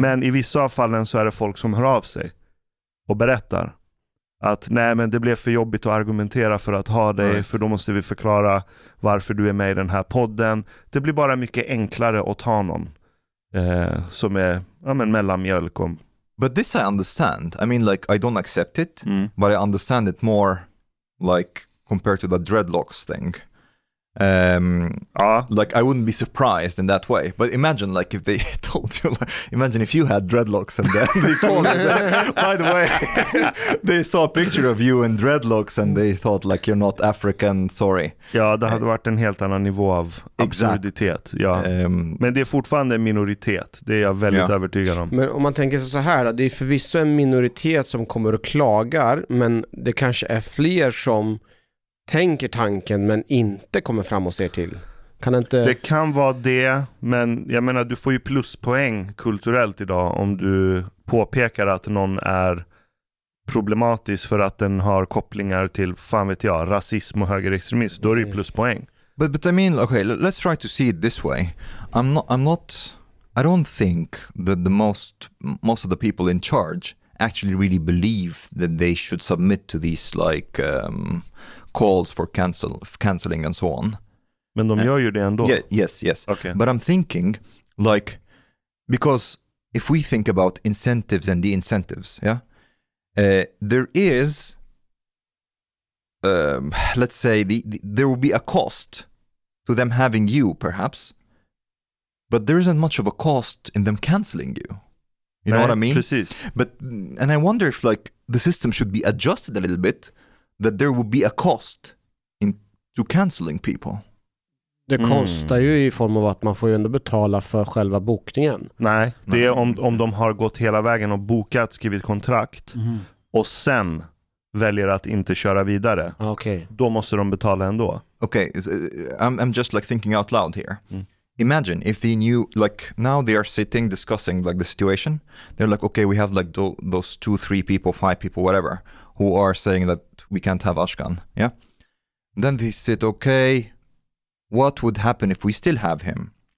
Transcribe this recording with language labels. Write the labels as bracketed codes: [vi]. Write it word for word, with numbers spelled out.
[sv] Men i vissa av fallen så är det folk som hör av sig och berättar att nej men det blev för jobbigt att argumentera för att ha dig, right. För då måste vi förklara varför du är med i den här podden. Det blir bara mycket enklare att ha någon eh, som är ja, men mellanmjölk. Om. [en] But this I understand. I mean like I don't accept it, mm. but I understand it more like compared to the dreadlocks thing. Um, Ah. Like, I wouldn't be surprised in that way. But imagine, like, if they told you, like, imagine if you had dreadlocks and then they called you. By the way, they saw a picture of you in dreadlocks and they thought, like, you're not African, sorry. [sv] Ja, det hade varit en helt annan nivå av Exakt. absurditet. Ja. Um, Men det är fortfarande en minoritet. Det är jag väldigt Ja. övertygad om. Men om man tänker sig så här då, det är förvisso en minoritet som kommer och klagar, men det kanske är fler som tänker tanken men inte kommer fram och ser till. Kan det inte... Det kan vara det, men jag menar du får ju pluspoäng kulturellt idag om du påpekar att någon är problematisk för att den har kopplingar till, fan vet jag, rasism och högerextremism. Då är det ju pluspoäng. [en] But but I mean, okay, l- let's try to see it this way. I'm not. I'm not. I don't think that the most most of the people in charge actually really believe that they should submit to these like um, calls for cancel canceling and so on. [sv] Men de gör ju det ändå. [en] Yeah, yes, yes. Okay. But I'm thinking, like, because if we think about incentives and de-incentives, yeah, uh, there is, um, let's say, the, the, there will be a cost to them having you, perhaps, but there isn't much of a cost in them canceling you. You know [sv] Nej, [en] what I mean? [sv] Precis. [en] But and I wonder if like the system should be adjusted a little bit, that there would be a cost in to canceling people. [sv] Det kostar ju i form av att man får ju ändå betala för själva bokningen. Nej, det är om, om de har gått hela vägen och bokat, skrivit kontrakt och sen väljer att inte köra vidare. Okej. Då måste de betala ändå. [en] Okay, is- uh, I'm I'm just like thinking out loud here. Imagine if they knew, like now they are sitting discussing like the situation. They're like, okay, we have like tho- those two, three people, five people, whatever, who are saying that we can't have Ashkan. Yeah. Then they sit, okay, what would happen if we still have him?